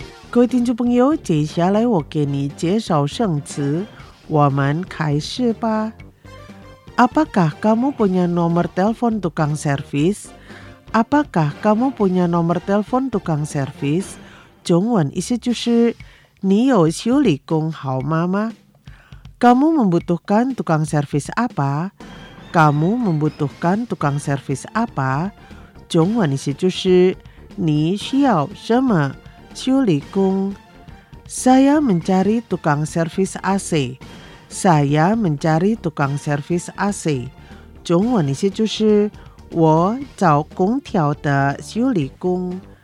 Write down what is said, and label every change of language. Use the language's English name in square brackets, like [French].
[Chinese] 各位听众朋友，接下来我给你介绍圣词，我们开始吧。 [Indonesian] Apakah kamu punya nomor telepon tukang servis? Apakah kamu punya nomor telepon tukang servis? [Chinese] 中文意思就是你有修理工号码吗？ [Indonesian] Kamu membutuhkan tukang servis apa? Kamu membutuhkan tukang servis apa? [Chinese] 中文意思就是你需要什么修理工。 [Indonesian] Saya mencari tukang servis AC. Saya mencari tukang servis AC. [Chinese] 中文意思就是我找空调的修理工。